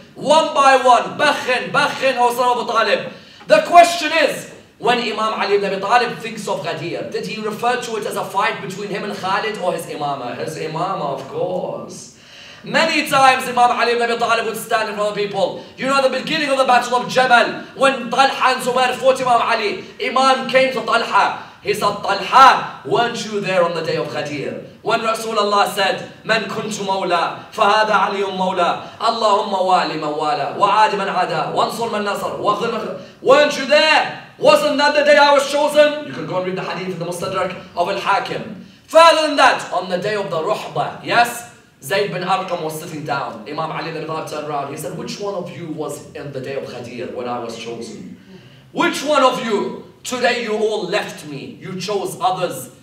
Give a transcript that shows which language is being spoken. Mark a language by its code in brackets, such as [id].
[en] One by one, Bakhin, Bakhin, Hussein Abu Talib. The question is, when Imam Ali ibn Abi Talib thinks of Ghadir, did he refer to it as a fight between him and Khalid or his imama? His imama, of course. Many times Imam Ali ibn Abi Talib would stand in front of people. You know, the beginning of the Battle of Jabal, when Talha and Zubair fought Imam Ali, Imam came to Talha. He said, Talha, weren't you there on the day of Ghadir? When Rasulullah said, [ar] من كنت مولى فهذا علي مولى اللهم والي من والى وعاد من عدا وانصر من نصر وغن. [en] Weren't you there? Wasn't that the day I was chosen? You can go and read the hadith in the Mustadrak of Al-Hakim. Further than that, on the day of the Ruhba, yes? Zayd bin Arqam was sitting down. Imam Ali ibn Abi Talib turned around. He said, which one of you was in the day of Ghadir when I was chosen? Which one of you? Today you all left me. You chose others.